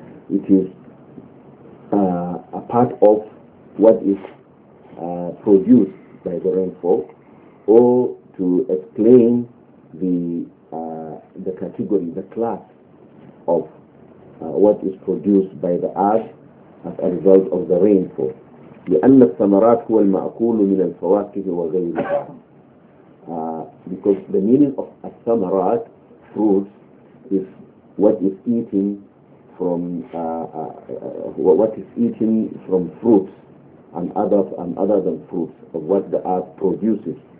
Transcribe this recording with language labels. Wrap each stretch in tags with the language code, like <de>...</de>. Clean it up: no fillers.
<en>It is a part of what is produced by the rainfall, or to explain the category, the class of what is produced by the earth as a result of the rainfall.</en> <ar>لأن الثمرات هو المأكول من الفواكه وغيرها.</ar> <en>Because the meaning of الثمرات, fruits, is what is eating from what is eaten from fruits and other than fruits of what the earth produces.</en>